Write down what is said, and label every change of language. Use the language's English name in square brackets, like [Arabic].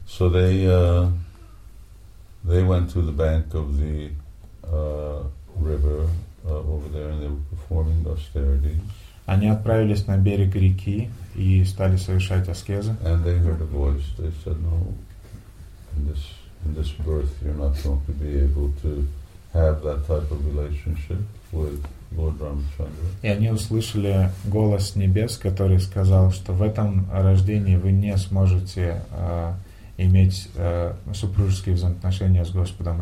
[English] So they went to the bank of the river over there, and they were performing austerities. [Russian] Они отправились на берег реки и стали совершать аскезы. [English] And they heard a voice. They said, "No, in this birth, you're not going to be able to have that type of relationship with." [Russian] И они услышали голос небес, который сказал, что в этом рождении вы не сможете иметь супружеские взаимоотношения с Господом